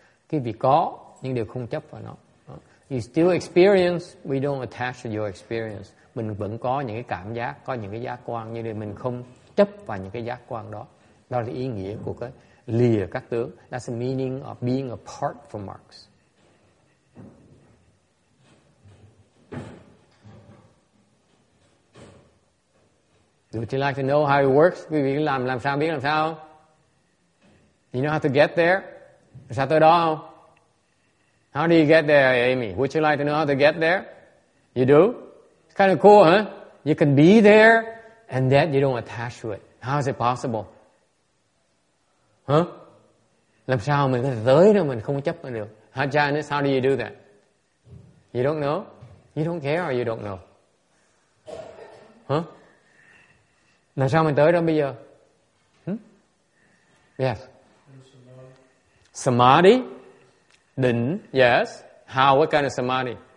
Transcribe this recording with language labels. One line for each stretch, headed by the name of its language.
Vietnamese: Quý vị có nhưng đều không chấp vào nó.
English: You still experience, we don't attach to your experience.
Vietnamese: Mình vẫn có những cái cảm giác, có những cái giác quan, nhưng mình không chấp vào những cái giác quan đó. Đó là ý nghĩa của cái lìa các tướng.
English: That's the meaning of being apart from Marx. Would you like to know how it works?
Vietnamese: Quý vị làm sao biết làm sao?
English: You know how to get there?
Vietnamese: Sao tới đó không?
English: How do you get there, Amy? Would you like to know how to get there? You do? It's kind of cool, huh? You can be there and that you don't attach to it. How is it possible? Huh?
Vietnamese: Làm sao mình có thể tới đâu mình không chấp vào được?
English: How, Janice, how do you do that? You don't know? You don't care or you don't know? Huh?
Vietnamese: Làm sao mình tới đâu bây giờ?
English: Hmm? Yes. Samadhi? Định? Yes. How? What kind of samadhi?